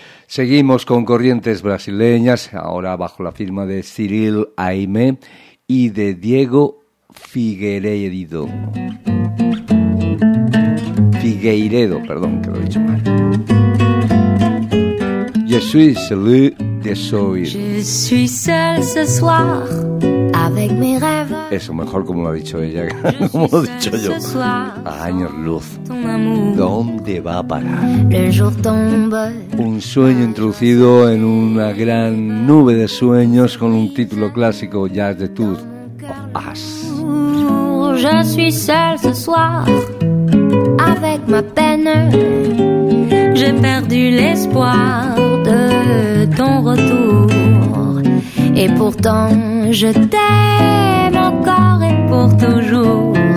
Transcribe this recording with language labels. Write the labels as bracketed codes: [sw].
[es] Seguimos con Corrientes Brasileñas, ahora bajo la firma de Cyril Aimé y de Diego Figueiredo. Figueiredo, perdón, que lo he dicho mal. [fr] Je suis seul de soir. Je suis seul ce soir avec mes rêves. [es] Eso mejor como lo ha dicho ella, como lo he dicho yo. A años luz. ¿Dónde va a parar? [fr] Le jour tombe. [es] Un sueño introducido en una gran nube de sueños con un título clásico, Jazz de Tour. As. [fr] Je suis seule ce soir avec ma peine. J'ai perdu l'espoir de ton retour. Et pourtant, je t'aime encore et pour toujours.